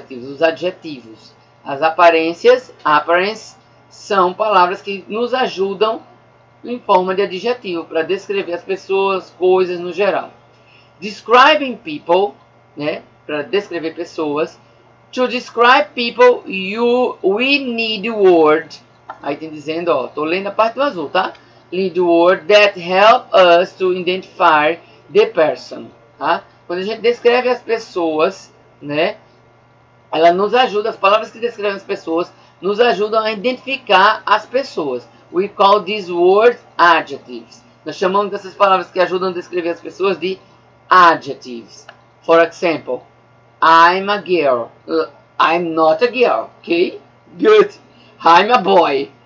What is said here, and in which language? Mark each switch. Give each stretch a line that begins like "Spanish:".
Portuguese: Os adjetivos. As aparências, appearance, são palavras que nos ajudam em forma de adjetivo, para descrever as pessoas, coisas no geral.
English: Describing people,
Portuguese: né, para descrever pessoas.
English: To describe people, we need a word.
Portuguese: Aí tem dizendo, ó, tô lendo a parte do azul, tá?
English: Need word that help us to identify the person.
Portuguese: Tá? Quando a gente descreve as pessoas, né? Ela nos ajuda, as palavras que descrevem as pessoas nos ajudam a identificar as pessoas.
English: We call these words adjectives.
Portuguese: Nós chamamos dessas palavras que ajudam a descrever as pessoas de adjectives.
English: For example, I'm a girl. I'm not a girl. Ok? Good. I'm a boy.